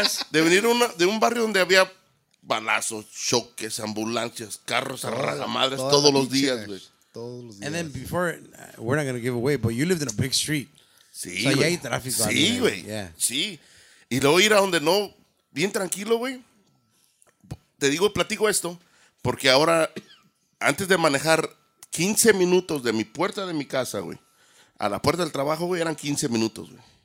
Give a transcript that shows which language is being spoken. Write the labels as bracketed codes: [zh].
[es] De venir de un barrio donde había balazos, choques, ambulancias, carros a rajamadres todos los días, güey. Todos los días. [en] And then before, we're not going to give away, but you lived in a big street. [es] Sí, güey. So, ahí hay tráfico. Sí, güey. Yeah. Sí. Y luego ir a donde no, bien tranquilo, güey. Te digo, platico esto, porque ahora, antes de manejar 15 minutos de mi puerta de mi casa, güey, a la puerta del trabajo, güey, eran 15 minutos, güey.